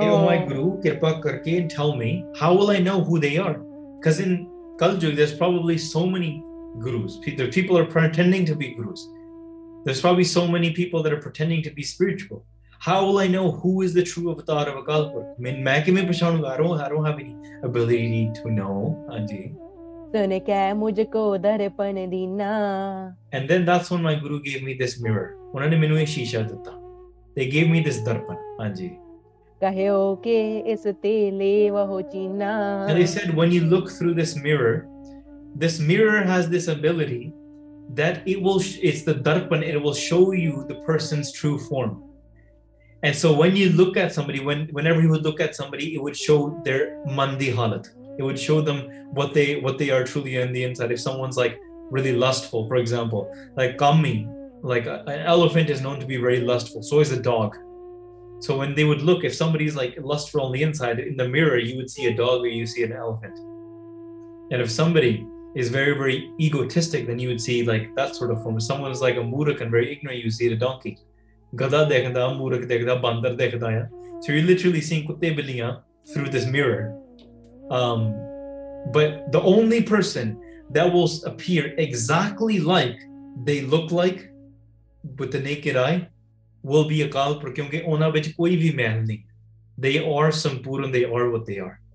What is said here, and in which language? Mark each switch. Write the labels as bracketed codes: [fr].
[en] ਹੇ ਮਾਈ ਗੁਰੂ [pa] ਕਿਰਪਾ ਕਰਕੇ [en] tell me how will I know who they are because in Kaliyug there is probably so many gurus people are pretending to be gurus there is probably so many people that are pretending to be spiritual how will I know who is the true avatar of Akal Purakh [pa] ਮੈਂ ਕਿਵੇਂ ਪਛਾਣੂਗਾ [en] I don't have any ability to know ਹਾਂਜੀ [pa] ਤੂੰ ਕਹਿ ਮੁਝ ਕੋ ਦਰਪਣ ਦੀਨਾ [en] and then that's one my guru gave me this mirror [pa] ਉਹਨਾਂ ਨੇ ਮੈਨੂੰ ਇਹ ਸ਼ੀਸ਼ਾ ਦਿੱਤਾ [en] They gave me this darpan, Anji. [pa] ਕਹਿਓ ਕਿ ਇਸ ਤੇਲੇ ਵਹੋ ਚੀਨਾ [en] And they said when you look through this mirror has this ability that it will it's the darpan it will show you the person's true form And so when you look at somebody, whenever you would look at somebody, it would show their [pa] mandi halat. [en] It would show them what they are truly in the inside. If someone's like really lustful, for example, like kami, like an elephant is known to be very lustful. So is a dog. So when they would look, if somebody's like lustful on the inside, in the mirror, you would see a dog or you see an elephant. And if somebody is very, very egotistic, then you would see like that sort of form. If someone is like a murak and very ignorant, you would see a donkey. [pa] ਗਧਾ ਦੇਖਦਾ ਮੂਰਖ ਦੇਖਦਾ ਬਾਂਦਰ ਦੇਖਦਾ ਆ [en] so you literally seeing [pa] ਕੁੱਤੇ ਬਿੱਲੀਆਂ [en] through this mirror but the only person that will appear exactly like they look like with the naked eye will be Akal Purakh [pa] ਕਿਉਂਕਿ ਉਹਨਾਂ ਵਿੱਚ ਕੋਈ ਵੀ ਮੈਲ ਨਹੀਂ [en] they are ਸੰਪੂਰਨ they are what they are